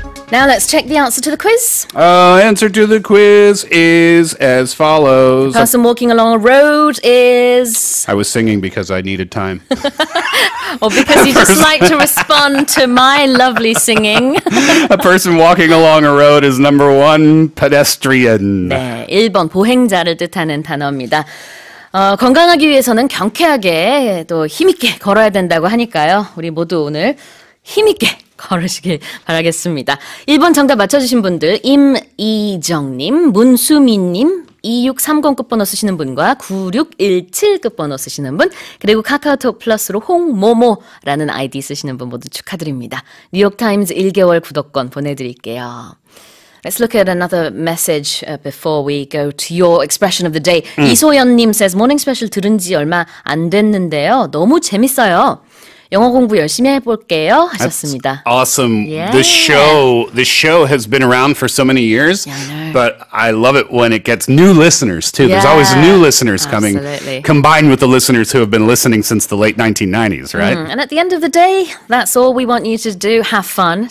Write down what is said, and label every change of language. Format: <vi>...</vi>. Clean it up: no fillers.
<en>Now let's check the answer to the quiz. Answer to the quiz is as follows. The person walking along a road is... I was singing because I needed time. Or because you just like to respond to my lovely singing. A person walking along a road is number one, pedestrian.</en> <ko>네, 1번 보행자를 뜻하는 단어입니다. 건강하기 위해서는 경쾌하게 또 힘있게 걸어야 된다고 하니까요. 우리 모두 오늘 힘있게 걸으시길 바라겠습니다. 1번 정답 맞춰주신 분들 임이정님, 문수민님, 2630급번호 쓰시는 분과 9617급번호 쓰시는 분, 그리고 카카오톡 플러스로 홍모모라는 아이디 쓰시는 분 모두 축하드립니다. 뉴욕타임즈 1개월 구독권 보내드릴게요.</ko> <en>Let's look at another message before we go to your expression of the day.</en> <ko>이소연님</ko> <en>says,</en> <ko>모닝 스페셜 들은 지 얼마 안 됐는데요. 너무 재밌어요. 영어 공부 열심히 해볼게요 하셨습니다.</ko> <en>That's awesome. Yeah. The show has been around for so many years, yeah, I know. But I love it when it gets new listeners too. Yeah. There's always new listeners Absolutely. Coming, combined with the listeners who have been listening since the late 1990s, right? Mm. And at the end of the day, that's all we want you to do, have fun.</en>